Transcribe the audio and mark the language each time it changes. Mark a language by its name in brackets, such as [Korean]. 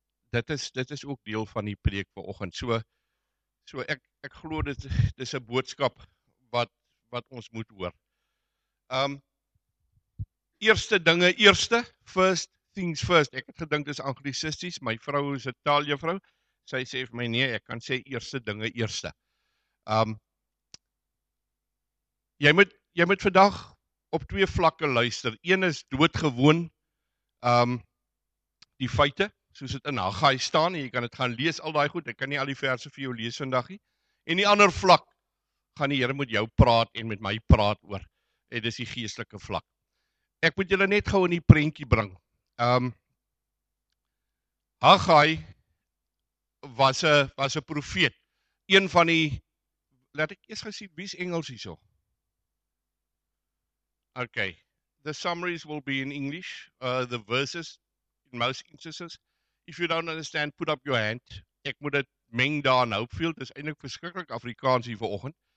[Afrikaans] Dit is ook deel van die preek vanoggend. So ek glo dit is 'n boodskap wat ons moet hoor. Eerste dinge, [English] first things first. [Afrikaans] Ek het gedink dis anglisisties, my vrou is 'n taaljuffrou. Sy sê vir my nee, ek kan sê eerste dinge eerste. Jy moet vandag op twee vlakke luister. Een is doodgewoon, die feite, soos dit in Haggai staan, en jy kan dit gaan lees, al daai goed, ek kan nie al die verse vir jou lees vandag nie. En die ander vlak, gaan die Here met jou praat en met my praat oor, en dis die geestelike vlak. Ek moet julle net gou in die prentjie bring. Haggai was 'n profeet, een van die, laat ek eers gesien, wie is Engels hierso? [English] Okay, the summaries will be in English, the verses, in most instances. If you don't understand, put up your hand. [Afrikaans] Ek moet dit meng daar in Hopefield, dis eintlik verskriklik Afrikaans hier vanoggend.